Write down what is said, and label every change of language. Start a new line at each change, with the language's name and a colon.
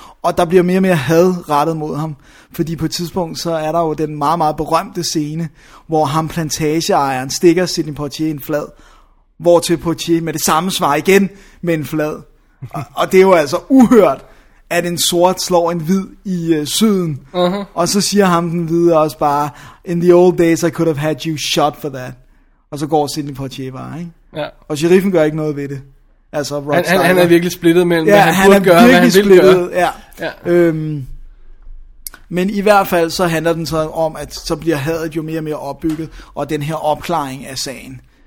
Danish: Og der bliver mere og mere had rettet mod ham. Fordi på et tidspunkt, så er der jo den meget, meget berømte scene, hvor ham plantageejeren stikker Sidney Poitier en flad. Hvortil Poitier med det samme svar igen med en flad. Og det er jo altså uhørt, at en sort slår en hvid i syden. Uh-huh. Og så siger ham den hvide også bare,
English: in the old days I could have had you shot for that.
Danish: Og så går Sidney Poitier bare, ikke? Ja. Og sheriffen gør ikke noget ved det. Altså, han er virkelig splittet mellem, ja, hvad han burde gøre, og hvad han vil splittet, gøre. Ja. Ja. Men i hvert fald så handler den så om, at så bliver hadet jo mere og mere opbygget, og den her opklaring af sagen.